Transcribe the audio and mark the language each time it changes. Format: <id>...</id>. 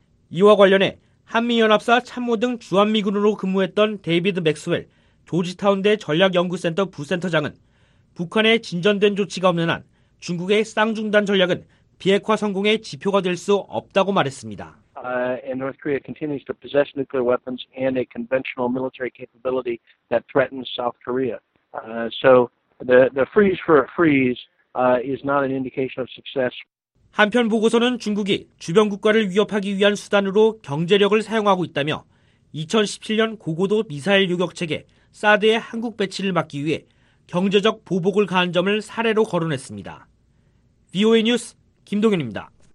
<ko>이와 관련해 한미연합사 참모 등 주한미군으로 근무했던 데이비드 맥스웰 조지타운대 전략연구센터 부센터장은 북한에 진전된 조치가 없는 한 중국의 쌍중단 전략은 비핵화 성공의 지표가 될 수 없다고 말했습니다.</ko> <en>And North Korea continues to possess nuclear weapons and a conventional military capability that threatens South Korea. So the freeze is not an indication of success.</en> <ko>한편 보고서는 중국이 주변 국가를 위협하기 위한 수단으로 경제력을 사용하고 있다며 2017년 고고도 미사일 요격 체계 사드의 한국 배치를 막기 위해 경제적 보복을 가한 점을 사례로 거론했습니다. VOA 뉴스 김동현입니다.</ko>